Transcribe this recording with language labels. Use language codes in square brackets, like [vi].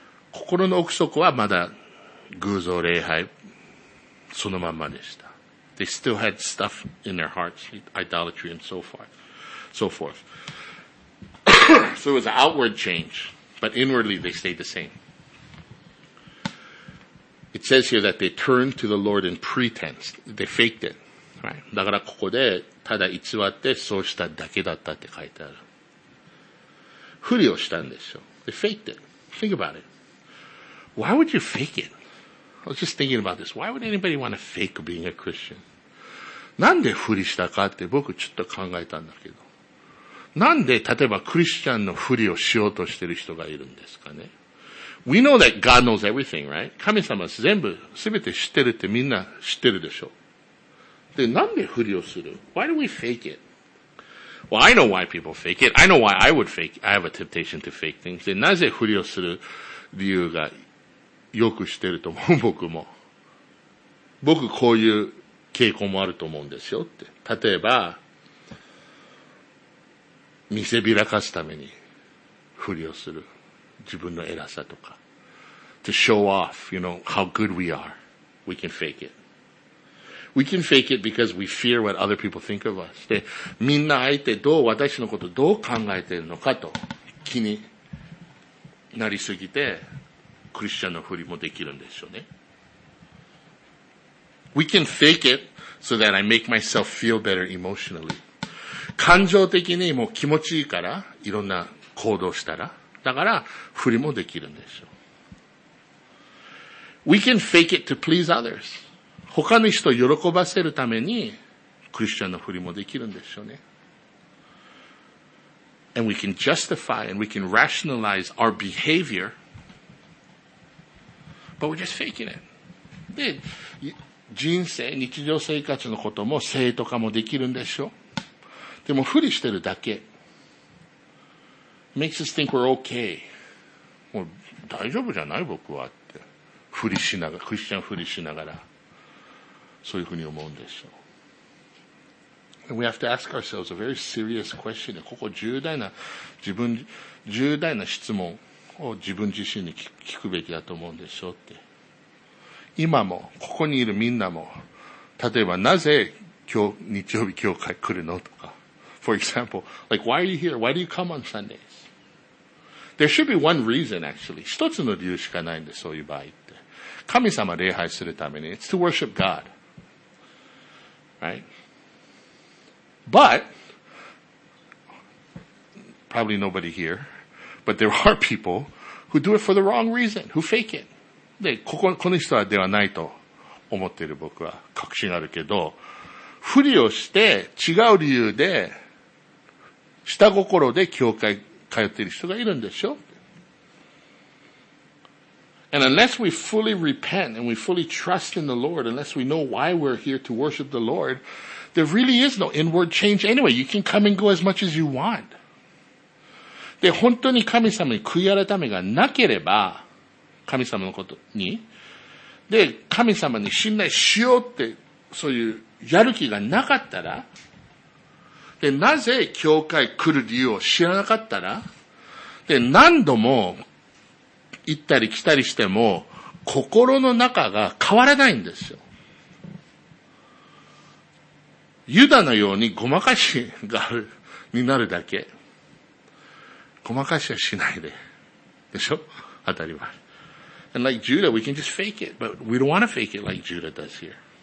[ja] 心の奥底はまだ、偶像礼拝、そのままでした。 [en] They still had stuff in their hearts, idolatry and so forth. So it was an outward change, but inwardly they stayed the same. It says here that they turned to the Lord in pretense. They faked it, right? [ja] だからここでただ偽ってそうしただけだったって書いてある。ふりをしたんでしょ。 [en] They faked it. Think about it. Why would you fake it? I was just thinking about this. Why would anybody want to fake being a Christian? [ja] なんでふりしたかって僕ちょっと考えたんだけど。なんで例えばクリスチャンのふりをしようとしている人がいるんですかね。 [en] We know that God knows everything, right? [ja] 神様は全部すべて知ってるってみんな知ってるでしょ。で、なんでふりをする [en] ？Why do we fake it? Well, I know why people fake it. I know why I would fake. I have a temptation to fake things. [ja] で、なぜふりをする理由がよく知ってると思う僕も。僕こういう傾向もあると思うんですよって。例えば。見せびらかすために、ふりをする。自分の偉さとか。 [en] To show off, you know, how good we are. We can fake it. We can fake it because we fear what other people think of us. [ja] で、みんな相手どう、私のことどう考えてるのかと、気になりすぎて、クリスチャンのふりもできるんでしょうね。 [en] We can fake it so that I make myself feel better emotionally. [ja] 感情的にもう気持ちいいからいろんな行動したら、だから振りもできるんですよ。 [en] We can fake it to please others. [ja] 他の人を喜ばせるためにクリスチャンの振りもできるんですよね。 [en] And we can justify and we can rationalize our behavior, but we're just faking it. [ja] で、人生、日常生活のことも正当化もできるんでしょ。でも、振りしてるだけ。 [en] Makes us think we're okay. [ja] もう、大丈夫じゃない僕はって。振りしながら、クリスチャン振りしながら、そういうふうに思うんでしょ。 [en] And we have to ask ourselves a very serious question. [ja] ここ重大な自分、重大な質問を自分自身に聞くべきだと思うんでしょうって。今も、ここにいるみんなも、例えばなぜ今日、日曜日教会来るのとか。 [en] For example, like, why are you here? Why do you come on Sundays? There should be one reason, actually. [ja] 一つの理由しかないんで、そういう場合って。神様礼拝するために、 [en] it's to worship God. Right? But, probably nobody here, but there are people who do it for the wrong reason, who fake it. [ja] で、この人はではないと思っている僕は確信あるけど、不利をして違う理由で、下心で教会通っている人がいるんでしょ? [en] And unless we fully repent and we fully trust in the Lord, unless we know why we're here to worship the Lord,There really is no inward change anyway. You can come and go as much as you want. [ja] で、本当に神様に悔い改めがなければ、神様のことに、で、神様に信頼しようって、そういうやる気がなかったら、で、なぜ教会来る理由を知らなかったら、で、何度も行ったり来たりしても、心の中が変わらないんですよ。ユダのようにごまかしがある、になるだけ。ごまかしはしないで。でしょ?当たり前。 [en] And like Judah, we can just fake it, but we don't want to fake it like Judah does here.